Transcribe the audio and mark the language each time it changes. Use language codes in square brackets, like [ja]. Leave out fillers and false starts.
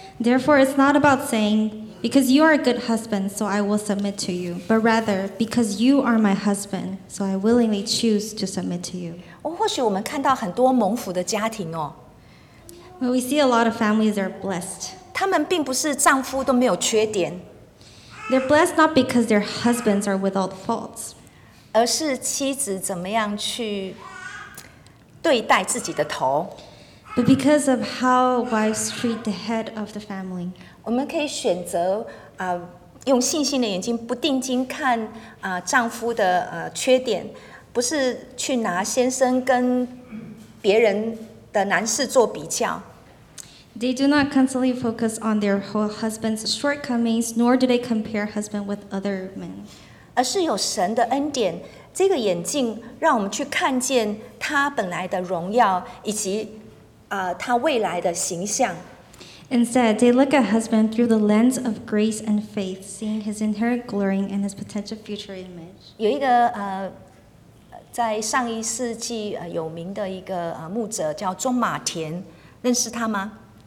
[en] Therefore, it's not about saying. Because you are a good husband, so I will submit to you. But rather, because you are my husband, so I willingly choose to submit to you. [zh] 或许我们看到很多蒙福的家庭哦。 [en] Well, we see a lot of families that are blessed. [zh] 他们并不是丈夫都没有缺点。 [en] They're blessed not because their husbands are without faults. [zh] 而是妻子怎么样去对待自己的头。 [en] But because of how wives treat the head of the family. [zh] 我们可以选择用信心的眼睛不定睛看丈夫的缺点，不是去拿先生跟别人的男士做比较。 [en] They do not constantly focus on their whole husband's shortcomings, nor do they compare husband with other men. [zh] 而是有神的恩典，这个眼镜让我们去看见他本来的荣耀以及他未来的形象。 [en] Instead, they look at husband through the lens of grace and faith, seeing his inherent glory and his potential future image. [zh] 有一个在上一世纪有名的一个牧者叫中马田，认识他吗